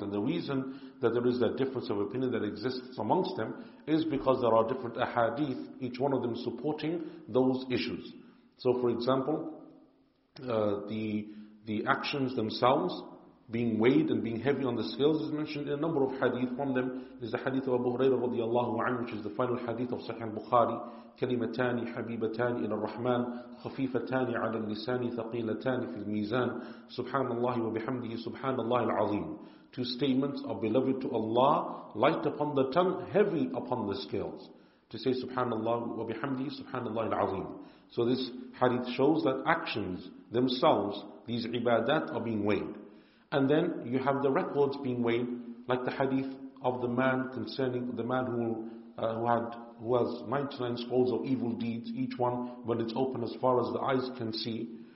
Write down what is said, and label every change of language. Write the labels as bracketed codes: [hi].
[en] And the reason that there is that difference of opinion that exists amongst them is because there are different ahadith, each one of them supporting those issues. So for example, the actions themselves being weighed and being heavy on the scales is mentioned in a number of hadith. From them is the hadith of Abu Hurairah radiallahu anhu, which is the final hadith of Sahih al-Bukhari. [ar] كلمتان حبيبتان إلى الرحمن خفيفتان على اللسان ثقيلتان في الميزان سبحان الله وبحمده سبحان الله العظيم. [en] Two statements are beloved to Allah, light upon the tongue, heavy upon the scales. To say [ar] subhanallah wa bihamdihi subhanallah al-azim. [en] So this hadith shows that actions themselves, these ibadat, are being weighed. And then you have the records being weighed, like the hadith of the man concerning the man who has 99 scrolls of evil deeds, each one when it's open as far as the eyes can see.